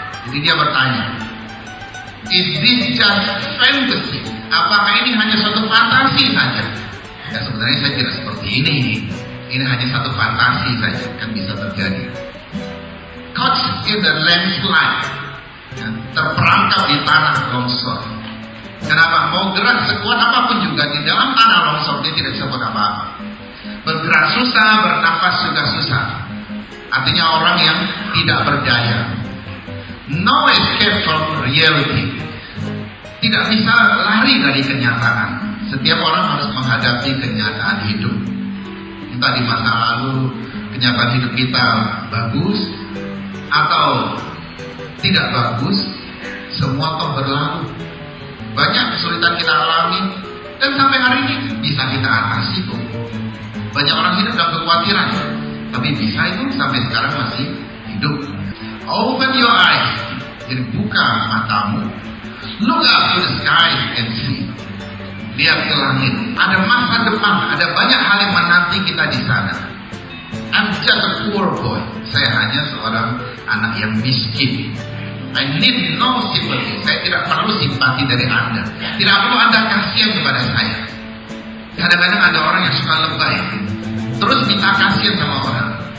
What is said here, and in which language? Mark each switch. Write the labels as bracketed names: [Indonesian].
[Indonesian] Jadi dia bertanya, [English] is this just fantasy? [Indonesian] Apakah ini hanya suatu fantasi saja? Ya sebenarnya saya tidak seperti ini. Ini hanya satu fantasi saja, kan bisa terjadi. [English] Caught in the landslide, [Indonesian] ya, terperangkap di tanah longsor. Kenapa? Mau gerak sekuat apapun juga di dalam tanah longsor, dia tidak bisa buat apa-apa. Bergerak susah, bernafas juga susah. Artinya orang yang tidak berdaya. [English] no escape from reality. [Indonesian] Tidak bisa lari dari kenyataan. Setiap orang harus menghadapi kenyataan hidup. Entah di masa lalu kenyataan hidup kita bagus atau tidak bagus, semua toh berlalu. Banyak kesulitan kita alami dan sampai hari ini bisa kita atasi kok. Banyak orang hidup dalam kekhawatiran, tapi bisa itu sampai sekarang masih hidup. [English] Open your eyes, [Indonesian] jadi buka matamu. [English] Look up to the sky and see. [Indonesian] Lihat ke langit. Ada masa depan, ada banyak hal yang menanti kita di sana. [English] I'm just a poor boy. [Indonesian] Saya hanya seorang anak yang miskin. [English] I need no sympathy. [Indonesian] Saya tidak perlu simpati dari Anda. Tidak perlu Anda kasihan kepada saya. Kadang-kadang ada orang yang suka lebay, terus minta kasihan sama orang.